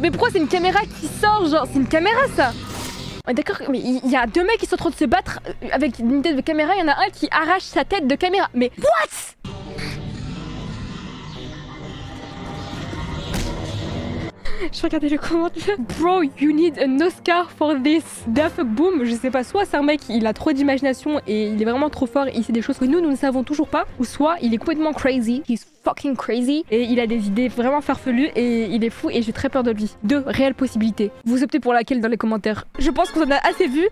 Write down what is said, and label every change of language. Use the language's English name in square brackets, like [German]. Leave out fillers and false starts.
[French] Mais pourquoi c'est une caméra qui sort, genre? C'est une caméra, ça? D'accord, mais il y a deux mecs qui sont en train de se battre avec une tête de caméra, il y en a un qui arrache sa tête de caméra. Mais [English] what? [French] Je regardais le commentaire. [English] Bro, you need an Oscar for this. Dafuck boom. [French] Je sais pas, soit c'est un mec, il a trop d'imagination et il est vraiment trop fort, il sait des choses que nous ne savons toujours pas. Ou soit il est complètement crazy. [English] He's fucking crazy. [French] Et il a des idées vraiment farfelues et il est fou et j'ai très peur de lui. Deux réelles possibilités. Vous optez pour laquelle dans les commentaires? Je pense qu'on en a assez vu.